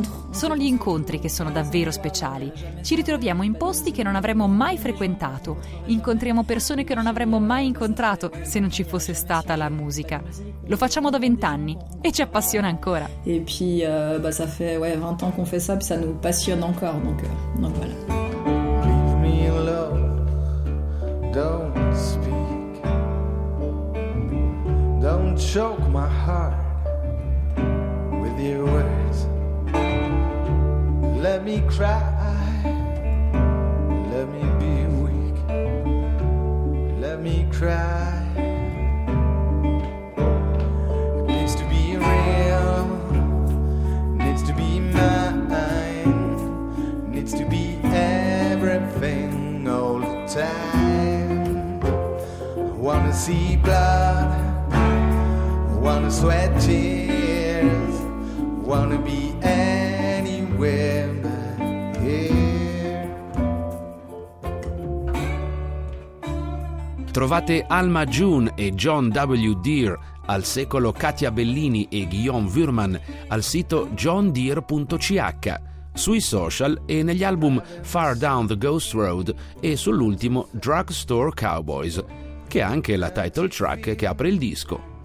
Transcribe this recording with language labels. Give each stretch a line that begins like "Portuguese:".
Italian: Sono gli incontri che sono davvero speciali. Ci ritroviamo in posti che non avremmo mai frequentato. Incontriamo persone che non avremmo mai incontrato se non ci fosse stata la musica. Lo facciamo da 20 anni e ci appassiona ancora. E poi,
French: ça fait 20 ans qu'on fait ça, puis ça nous passionne encore. Donc voilà.
English: Leave me alone. Don't speak. Don't choke my heart. Your words. Let me cry. Let me be weak. Let me cry. It needs to be real. Needs to be mine. Needs to be everything all the time. Wanna see blood. Wanna sweat tears. Wanna be anywhere but here.
Italian: Trovate Alma June e John W. Deere al secolo Katia Bellini e Guillaume Würmann, al sito johndeere.ch, sui social e negli album Far Down the Ghost Road e sull'ultimo Drugstore Cowboys, che è anche la title track che apre il disco.